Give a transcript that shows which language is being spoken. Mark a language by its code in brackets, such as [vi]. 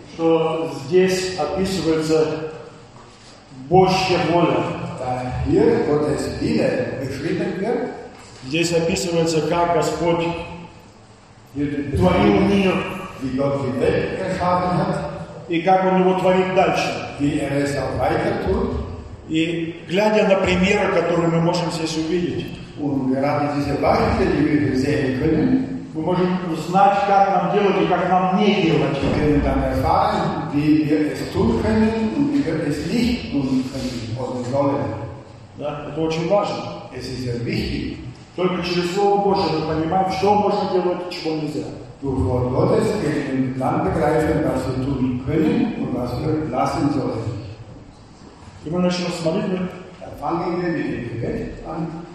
[ru] Что здесь описывается Божья воля. [de] Hier Gottes Wille beschrieben wird. [ru] Здесь описывается, как Господь творил мир, [de] wie Gott die Welt erschaffen hat, [ru] и как Он его творит дальше. [de] Wie es auch weiter tut. [ru] И глядя на примеры, которые мы можем здесь увидеть, [de] und gerade diese Beispiele, die wir sehen können, [ru] мы можем узнать, как нам делать и как нам не делать. [de] Wir können dann erfahren, wie wir es tun können und wie wir es nicht tun können oder sollen. [ru] Да, это очень важно. [de] Es ist sehr wichtig. [ru] Только через Слово Божие мы понимаем, что можно делать и чего нельзя. [de] Durch Wort Gottes können wir dann begreifen, was wir tun können und was wir lassen sollen. [ru] И мы начнем с молитвы. [de] Fangen wir mit dem Gebet an.